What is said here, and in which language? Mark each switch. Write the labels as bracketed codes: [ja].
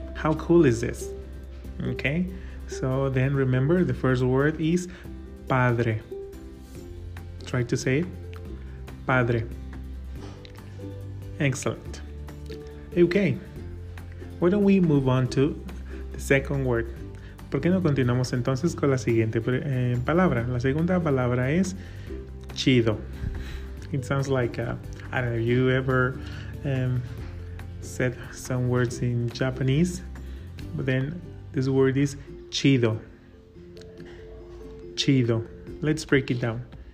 [en] How cool is this? Okay. So then remember, the first word is padre. Try to say it. Padre. Excellent. Okay. Why don't we move on to the second word? [es] ¿Por qué no continuamos entonces con la siguiente palabra? La segunda palabra es chido. [en] It sounds like, I don't know, you ever said some words in Japanese, but then this word is chido. Chido. Let's break it down.